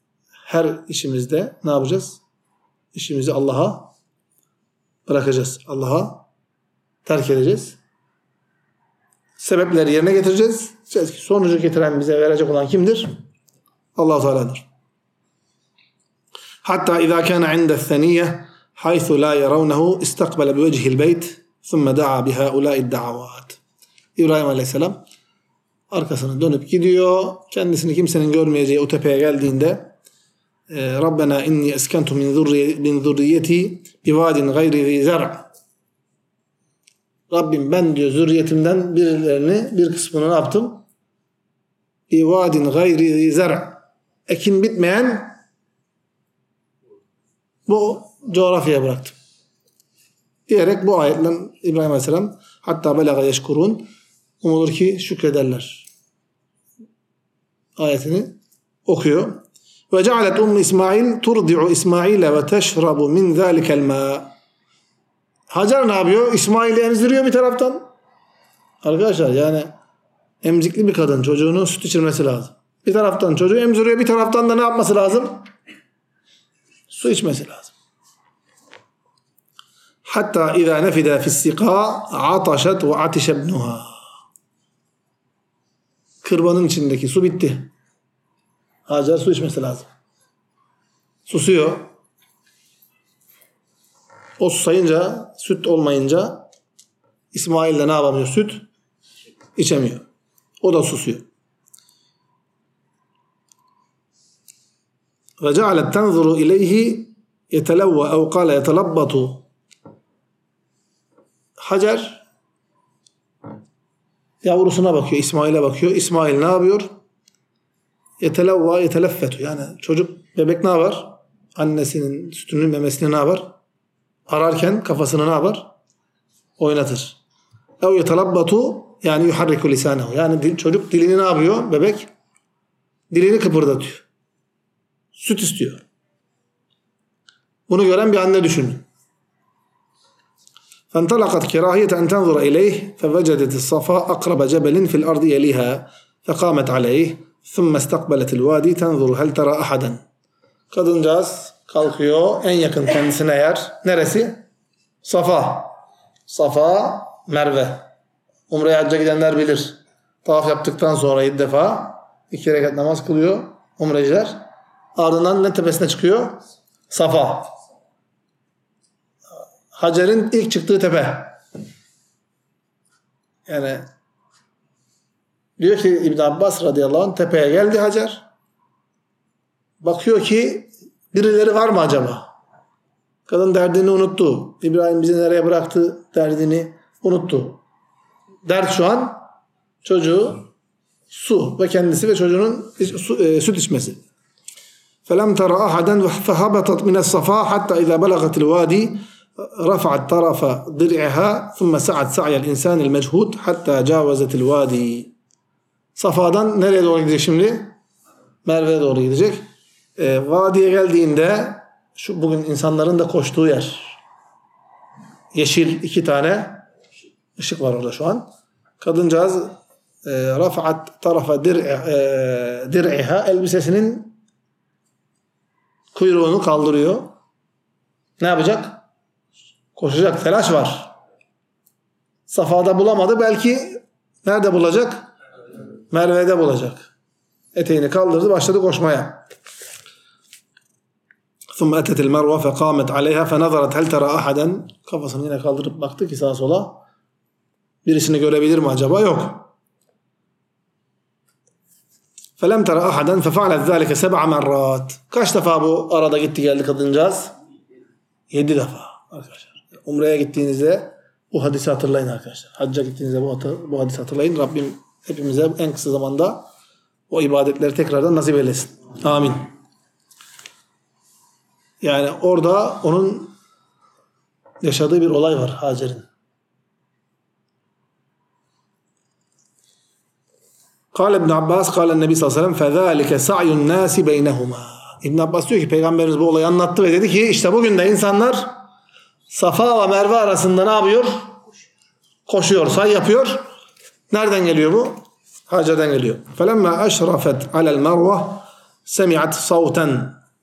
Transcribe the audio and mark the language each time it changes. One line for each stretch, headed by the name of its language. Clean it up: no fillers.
Turkish: Her işimizde ne yapacağız? İşimizi Allah'a bırakacağız. Allah'a terk edeceğiz. Sebepleri yerine getireceğiz. Diyeceğiz ki sonucu getiren, bize verecek olan kimdir? Allah-u Teala'dır.
Arabic: Hatta اِذَا كَانَ عِنْدَ الثَّنِيَّةِ حَيْثُ لَا يَرَوْنَهُ اِسْتَقْبَلَ بِوَجْهِ الْبَيْتِ ثُمَّ دَعَى بِهَا اُولَٰئِ الدَّعَوَاتِ
Turkish: İbrahim Aleyhisselam arkasını dönüp gidiyor. Kendisini kimsenin görmeyeceği o tepeye geldiğinde
Arabic: رَبَّنَا اِنِّي أَسْكَنْتُ مِنْ ذُرِّيَّتِي بِوَادٍ غَيْرِ ذِي زَرْعٍ
Turkish: Rabbim ben diyor zürriyetimden birilerini, bir kısmını ne yaptım?
Arabic: بِوَادٍ غَيْرِ ذِي زَرْعٍ
Turkish: Ekin bitmeyen bu coğrafyaya bıraktım. Diyerek bu ayetle İbrahim Aleyhisselam hatta
Arabic: بَلَغَ يَشْكُرُونَ
Turkish: umulur ki şükrederler ayetini okuyor.
Arabic: وَجَعَلَتْ اُمِّ İsmail تُرْضِعُ إِسْمَعِيلَ وَتَشْرَبُ مِنْ ذَٰلِكَ الْمَاءِ
Turkish: Hacer ne yapıyor? İsmail'i emziriyor bir taraftan. Arkadaşlar yani emzikli bir kadın, çocuğunun süt içirmesi lazım. Bir taraftan çocuğu emziriyor, bir taraftan da ne yapması lazım? Su içmesi lazım.
Arabic: حَتَّى اِذَا نَفِدَ فِي السِّقَاءِ عَطَشَتْ وَعَتِشَ بْنُهَا
Turkish: Kırbanın içindeki su bitti. Hacer su içmesi lazım. Susuyor. O susayınca, süt olmayınca İsmail de ne yapamıyor? Süt içemiyor. O da susuyor.
Arabic: وَجَعَلَتْ تَنْظُرُ اِلَيْهِ يَتَلَوَّ اَوْ قَالَ يَتَلَبَّتُ
Turkish: Hacer yavrusuna bakıyor, İsmail'e bakıyor. İsmail ne yapıyor?
Arabic: يَتَلَوَّ يَتَلَفَّتُ
Turkish: Yani çocuk, bebek ne yapar? Annesinin sütünün memesini ne yapar? Ararken kafasını ne yapar? Oynatır.
Arabic: اَوْ يَتَلَبَّتُ
Turkish: Yani
Arabic: يُحَرِّكُ لِسَانَهُ
Turkish: Yani çocuk dilini ne yapıyor bebek? Dilini kıpırdatıyor. Süt istiyor. Bunu gören bir anne düşünün.
Arabic: فَانْتَلَقَتْ كِرَاهِيَةَ اَنْ تَنْظُرَ اِلَيْهِ فَوَجَدَتِ الصَّفَا اَقْرَبَ جَبَلٍ فِي الْأَرْضِ يَلِيهَا فَقَامَتْ عَلَيْهِ ثُمَّ اسْتَقْبَلَتِ الْوَادِ تَنْظُرُ هَلْ تَرَى أَحَدًا
Turkish: Kadıncağız kalkıyor. En yakın kendisine yer. Neresi? Safa. Safa, Merve. Umre'ye hacca gidenler bilir. Tavaf yaptıktan sonra 7 defa 2 rekat namaz kılıyor umreciler. Ardından ne tepesine çıkıyor? Safa. Hacer'in ilk çıktığı tepe. Yani diyor ki İbn Abbas radıyallahu anh tepeye geldi Hacer. Bakıyor ki birileri var mı acaba? Kadın derdini unuttu. İbrahim bizi nereye bıraktı derdini unuttu. Dert şu an çocuğu su ve kendisi ve çocuğunun süt içmesi.
Arabic: فَلَمْ تَرَى أَحَدًا فَهَبَتَتْ مِنَ الصَّفَا حَتَّى اِذَا بَلَغَتِ الْوَادِي رفعت طرف ضلعها ثم سعت سعي الإنسان المجهود حتى جاوزت الوادي.
Turkish: Safa'dan nereye doğru gidecek şimdi? Merve'ye doğru gidecek. Vadiye geldiğinde şu bugün insanların da koştuğu yer. Yeşil iki tane ışık var orada şu an. Kadıncağız
Arabic: rafa'at tarafa dir'iha,
Turkish: elbisesinin kuyruğunu kaldırıyor. Ne yapacak? Koşacak, telaş var. Safa'da bulamadı. Belki nerede bulacak? Merve'de bulacak. Eteğini kaldırdı, başladı koşmaya.
Arabic: ثم اتت المروه فقامت عليها فنظرت هل ترى احدا.
Turkish: Kafasını yine kaldırıp baktı ki sağa sola. Birisini görebilir mi acaba? Yok.
Arabic: فلم ترى احدا ففعلت ذلك سبع مرات.
Turkish: Kaç defa bu arada gitti geldi kadıncağız? 7 defa arkadaşlar. Umre'ye gittiğinizde bu hadisi hatırlayın arkadaşlar. Hacca gittiğinizde bu hadisi hatırlayın. Rabbim hepimize en kısa zamanda o ibadetleri tekrardan nasip eylesin. Amin. Yani orada onun yaşadığı bir olay var Hacer'in.
Arabic: قال ابن عباس قال النبي صلى الله عليه وسلم فذلك سعي الناس بينهما.
Turkish: İbn Abbas diyor ki peygamberimiz bu olayı anlattı ve dedi ki işte bugün de insanlar Safa ve Merve arasında ne yapıyor? Koşuyor, say yapıyor. Nereden geliyor bu? Hacer'den geliyor.
Arabic: فلما اشرفت على المروه سمعت صوتا.